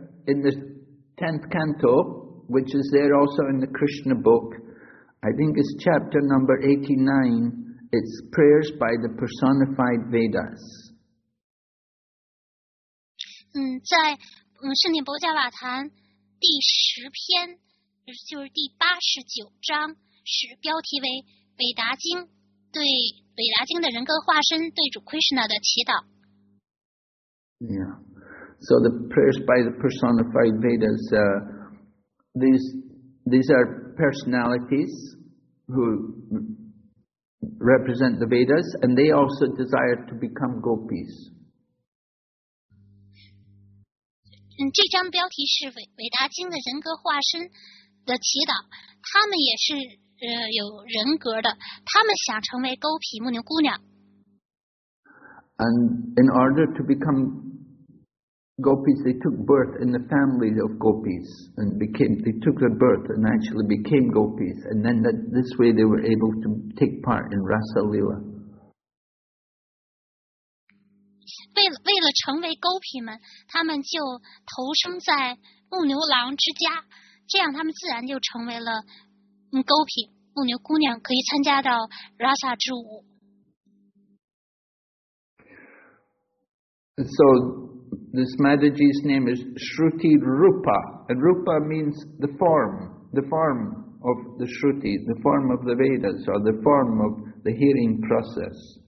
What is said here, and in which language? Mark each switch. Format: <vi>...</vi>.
<en>in the 10th canto, which is there also in the Krishna book, I think it's chapter number 89, it's prayers by the personified Vedas.</en> <zh>在圣典博迦瓦坛第十篇，就是第八十九章，是标题为韦达经，对韦达经的人格化身对主 Krishna 的祈祷。</zh> <en>Yeah. So the prayers by the personified Vedas, these are personalities who represent the Vedas, and they also desire to become gopis.</en> <zh>这张标题是韦达经的人格化身的祈祷，他们也是有人格的，他们想成为勾皮牧牛姑娘。</zh> <en>And in order to becomeGopis, they took birth in the family of gopis and they took their birth and actually became gopis, and then this way they were able to take part in Rasa Leela.</en> <zh>为了成为勾皮们，他们就投生在牧牛郎之家，这样他们自然就成为了勾皮牧牛姑娘，可以参加到 Rasa 之舞。</zh> <en>So,This Madhaji's name is Shruti Rupa, and Rupa means the form of the Shruti, the form of the Vedas, or the form of the hearing process.</en>